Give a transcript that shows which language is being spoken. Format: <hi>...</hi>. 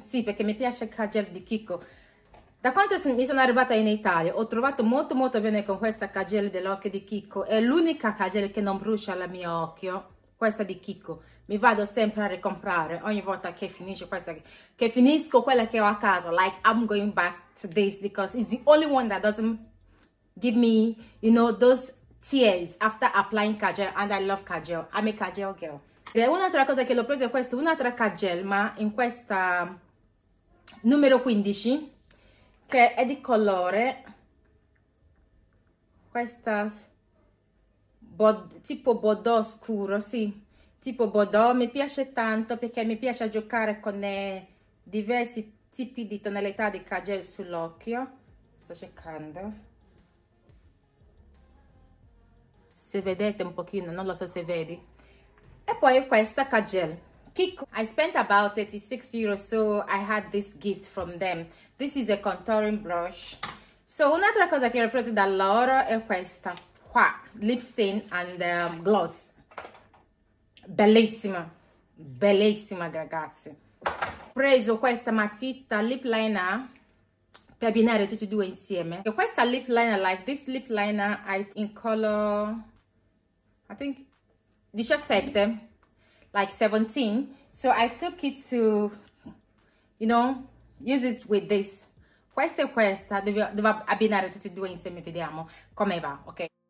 <it>Sì, perché mi piace Kajal di Kiko. Da quando mi sono arrivata in Italia, ho trovato molto molto bene con questa Kajal dell'occhio di Kiko. È l'unica Kajal che non brucia al mio occhio, questa di Kiko. Mi vado sempre a ricomprare ogni volta che finisce questa, che finisco quella che ho a casa.</it> <en>Like, I'm going back to this because it's the only one that doesn't give me, you know, those tears after applying Kajal. And I love Kajal. I'm a Kajal girl.</en> <it>E un'altra cosa che l'ho presa è questa, un'altra Kajal, ma in questa numero 15. Che è di colore questa tipo bordeaux scuro, sì, tipo bordeaux. Mi piace tanto perché mi piace giocare con diversi tipi di tonalità di Kajal sull'occhio. Sto cercando se vedete un pochino, non lo so se vedi. E poi questa Kajal Kiko.</it> <en>I spent about 36 euros, so I had this gift from them. This is a contouring brush.</en> <it>So, un'altra cosa che ho preso da loro è questa qua. Lip stain and gloss. Bellissima. Bellissima, ragazzi. Ho preso questa matita lip liner per abbinare tutti e due insieme. E questa lip liner,</it> <en>like this lip liner, in color, I think, 17. Like 17. So I took it to, you know, use it with this.</en> <it>Questa e questa devo abbinare tutti e due insieme, vediamo come va, ok?</it>